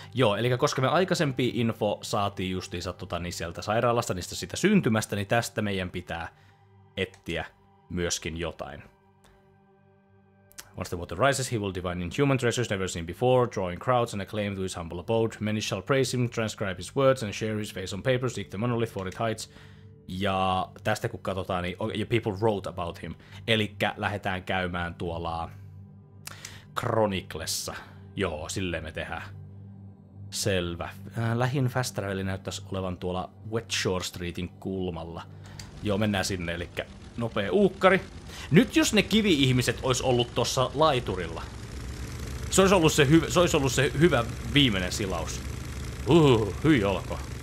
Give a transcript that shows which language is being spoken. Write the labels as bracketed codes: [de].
[fi] Joo, eli koska me aikaisempi info saatiin justiinsa sieltä sairaalasta, niistä sitä syntymästä, niin tästä meidän pitää etsiä myöskin jotain. [en] Once the water rises, he will divine in human treasures never seen before, drawing crowds and acclaim to his humble abode. Many shall praise him, transcribe his words and share his face on paper, seek the monolith for its heights. [fi] Ja tästä kun katsotaan, niin [en] okay, people wrote about him. [fi] Elikkä lähdetään käymään tuolla Chroniclessa. Joo, silleen me tehdään. Selvä. Lähin fast traveli näyttäisi olevan tuolla Wetshore Streetin kulmalla. Joo, mennään sinne, elikkä nopea uukkari. Nyt jos ne kivi-ihmiset olisi ollut tuossa laiturilla, se olisi ollut se hyvä viimeinen silaus. Hyi olko.